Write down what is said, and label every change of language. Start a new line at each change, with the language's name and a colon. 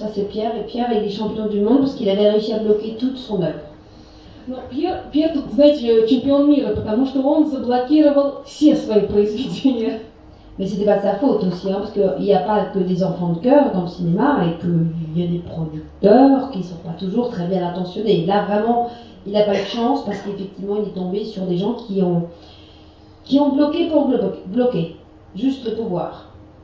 French: Пьер, il est champion du monde, parce qu'il avait réussi à bloquer toute son œuvre.
Russian: Но Пьер тут, знаете, чемпион мира, потому что он заблокировал все свои произведения.
French: Mais c'était pas sa faute aussi, hein, parce qu'il n'y a pas que des enfants de cœur dans le cinéma et qu'il y a des producteurs qui ne sont pas toujours très bien intentionnés. Là, vraiment, il n'a pas eu de chance parce qu'effectivement, il est tombé sur des gens qui ont bloqué pour bloquer, juste le pouvoir.